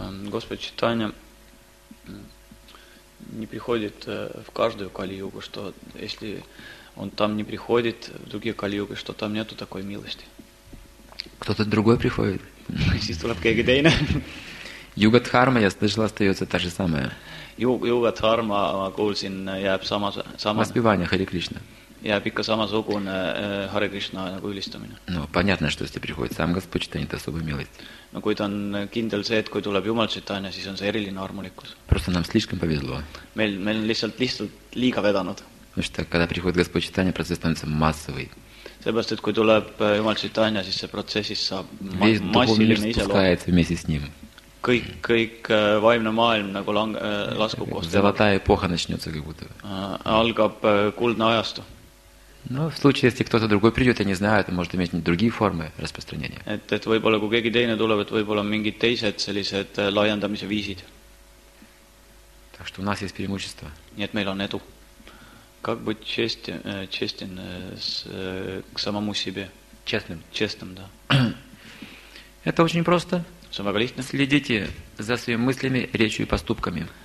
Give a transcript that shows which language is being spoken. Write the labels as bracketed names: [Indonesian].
[Russian] Господь Читания, не приходит в каждую Кали Югу, что если он там не приходит, в другие Кали Югу, что там нету такой милости. Кто-то другой приходит. [Estonian] Siis tuleb keegi teine. [Russian] Юга Дхарма, я слышал, остается та же самая. [Estonian] Юга Дхарма, ma kuulsin, jääb sama. [Russian] Воспевание Хари Кришна. [Estonian] Jääb ikka samasugune Hare Krishna nagu ülistamine. [Russian] No, понятно, что если приходит сам Господь Читания, это особо милость. [Estonian] No, kui ta on kindel see, et kui tuleb Jumal Читания, siis on see eriline armulikus. [Russian] Просто нам слишком повезло. [Estonian] Meil on lihtsalt liiga vedanud. [Russian] Ну что, когда приходит Господь Читания, процесс становится массовый. [Estonian] Sellepärast, et kui tuleb Jumal Читания, siis see protsessis saab massiline iseloom. [Russian] Весь духовный мир спускается вместе с ним. [Estonian] Kõik vaimne maailm nagu laskub koos. [Russian] Золотая эпоха начнется, как будто. [Estonian] Algab kuldne ajastu. [Russian] Ну, в случае, если кто-то другой придет, я не знаю, это может иметь другие формы распространения. [Estonian] Et võib-olla, kui keegi teine tuleb, et võib-olla on mingid teised sellised laiendamise viisid. [Russian] Так что у нас есть преимущество. [Estonian] Nii et meil on edu. [Russian] Как быть честен к самому себе? Честным. Честным, да. Это очень просто. [Estonian] See on väga lihtne. [Russian] Следите за своими мыслями, речью и поступками.